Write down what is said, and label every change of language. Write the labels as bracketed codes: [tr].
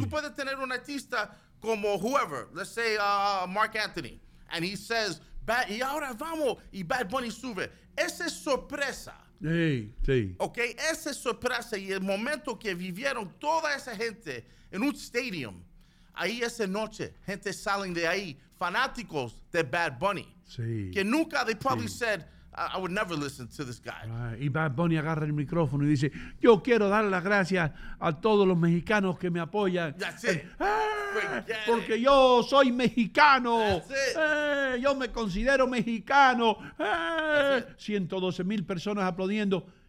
[es] Tú puedes tener un artista como [en] whoever, let's say [es] Marc Anthony, [en] and he says, [es] y ahora vamos, y Bad Bunny sube. Esa es sorpresa. Sí, sí. Ok, esa es sorpresa. Y el momento que vivieron toda esa gente en un stadium, ahí esa noche, gente salen de ahí, fanáticos de Bad Bunny. Sí. Que nunca, [en] they probably [es] sí. [en] said, I would never listen to this guy. Right. [es] Y Bad Bunny agarra el micrófono y dice, yo quiero dar las gracias a todos los mexicanos que me apoyan. [en] That's it. [es] Porque yo soy mexicano. [en] That's it. [es] Yo me considero mexicano. 112 mil personas aplaudiendo.